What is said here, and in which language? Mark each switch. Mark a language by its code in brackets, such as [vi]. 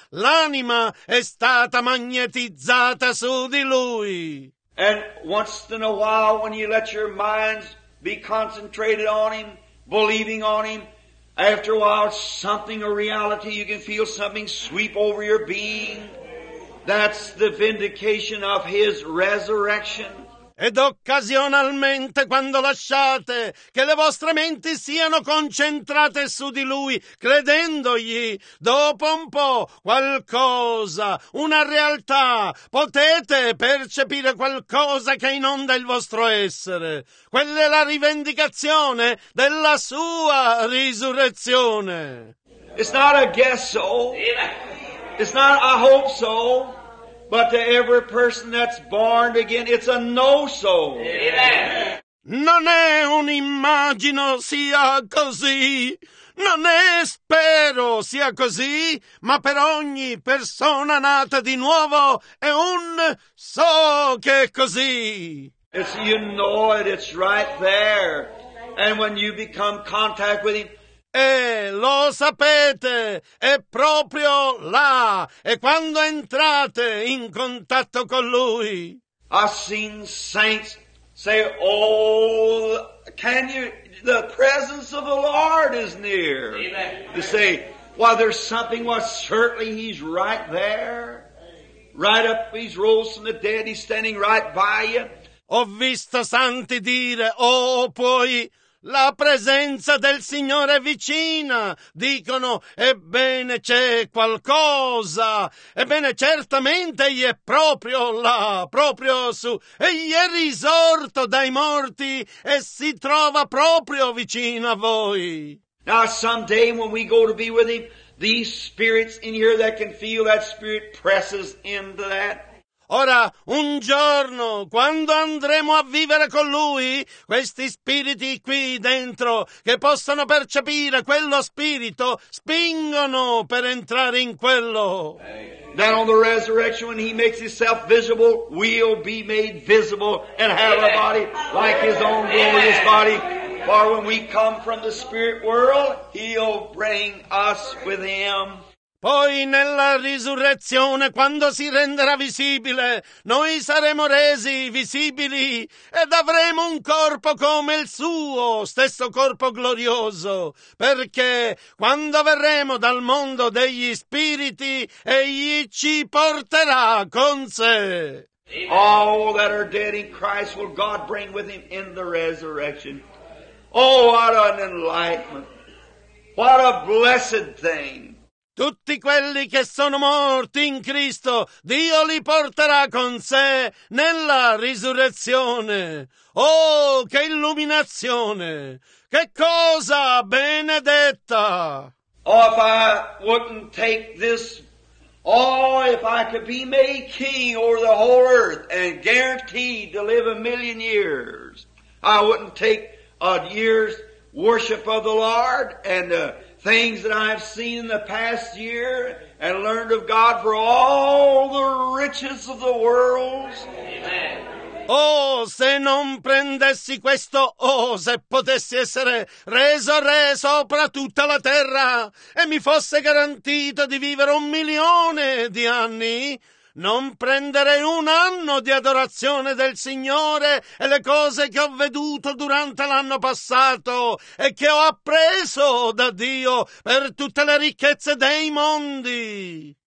[it] L'anima è stata magnetizzata su di lui. [en] And once in a while, when you let your minds be concentrated on him, believing on him, after a while, something, a reality, you can feel something sweep over your being. That's the vindication of his resurrection. [it] Ed occasionalmente, quando lasciate che le vostre menti siano concentrate su di lui, credendogli, dopo un po' qualcosa, una realtà, potete percepire qualcosa che inonda il vostro essere. Quella è la rivendicazione della sua risurrezione. [en] It's not a guess so. It's not a hope so. But to every person that's born again, it's a no-so. Amen. [it] Non è un immagino sia così, non è spero sia così, ma per ogni persona nata di nuovo è un so che è così. [en] It's, you know it, it's right there. And when you become contact with him, [it] e lo sapete, è proprio là, e quando entrate in contatto con lui. [en] I've seen saints say, oh, can you, the presence of the Lord is near. Amen. You say, well, there's something, well, certainly he's right there. Right up, he's rose from the dead, he's standing right by you. [it] Ho visto santi dire, oh, poi, la presenza del Signore è vicina, dicono, ebbene c'è qualcosa, ebbene certamente egli è proprio là, proprio su, egli è risorto dai morti e si trova proprio vicino a voi. [en] Now someday when we go to be with him, these spirits in here that can feel that spirit presses into that. [it] Ora, un giorno, quando andremo a vivere con lui, questi spiriti qui dentro, che possono percepire quello spirito, spingono per entrare in quello. [en] That on the resurrection, when he makes himself visible, we'll be made visible and have a body like his own glorious body. For when we come from the spirit world, he'll bring us with him. [it] Poi nella risurrezione, quando si renderà visibile, noi saremo resi visibili ed avremo un corpo come il suo, stesso corpo glorioso, perché quando verremo dal mondo degli spiriti, egli ci porterà con sé. [en] All that are dead in Christ will God bring with him in the resurrection. Oh, what an enlightenment! What a blessed thing! [it] Tutti quelli che sono morti in Cristo, Dio li porterà con sé nella risurrezione. Oh, che illuminazione! Che cosa benedetta! [en] Oh, if I wouldn't take this, oh, if I could be made king over the whole earth and guaranteed to live a million years, I wouldn't take a year's worship of the Lord and things that I've seen in the past year and learned of God for all the riches of the world. Amen. [it] Oh, se non prendessi questo, oh, se potessi essere reso re sopra tutta la terra e mi fosse garantito di vivere un milione di anni, non prenderei un anno di adorazione del Signore e le cose che ho veduto durante l'anno passato e che ho appreso da Dio per tutte le ricchezze dei mondi.